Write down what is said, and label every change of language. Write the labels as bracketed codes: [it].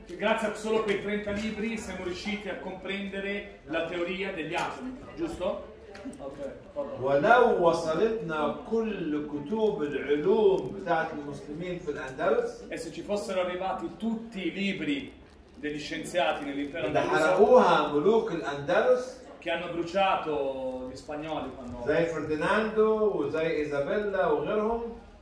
[it] Grazie a solo quei 30 libri siamo riusciti a comprendere la teoria degli atomi, giusto? [ar] ولو وصلتنا كل كتب العلوم بتاعت المسلمين في الأندلس. [it] E se ci fossero arrivati tutti i libri degli scienziati nell'impero andaluso. [ar] حرقوها ملوك الأندلس. [it] Che hanno bruciato gli spagnoli quando. [ar] زي فرديناندو وزي إيزابيلا وغيرهم.